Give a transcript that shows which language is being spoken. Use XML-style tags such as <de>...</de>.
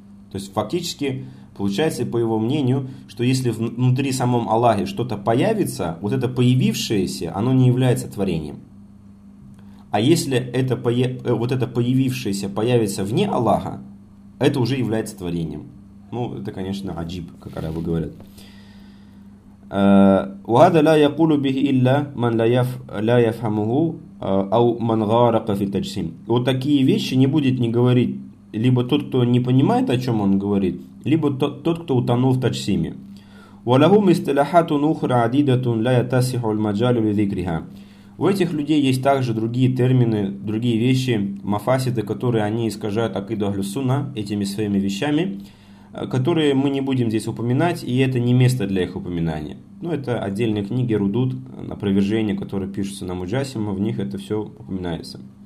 <ru>То есть фактически получается, по его мнению, что если внутри самом Аллахе что-то появится, вот это появившееся, оно не является творением. А если это вот это появившееся появится вне Аллаха, это уже является творением. Ну, это, конечно, аджиб, как арабы говорят.</ru> <ar>وهذا لا يقول به إلا من لا يفهمه أو من غارق في التجسيم.</ar> <ru>Вот такие вещи не будет ни говорить либо тот, кто не понимает, о чем он говорит, либо тот, кто утонул в таджсиме.</ru> <ar>وله مصطلحات أخرى عديدة لا يتسح المجال لذكرها.</ar> <ru>У этих людей есть также другие термины, другие вещи, мафасиды, которые они искажают акиду Ахлю Сунна этими своими вещами, которые мы не будем здесь упоминать, и это не место для их упоминания. Но это отдельные книги, рудут, опровержения, которые пишутся на Муджасима, в них это все упоминается.</ru>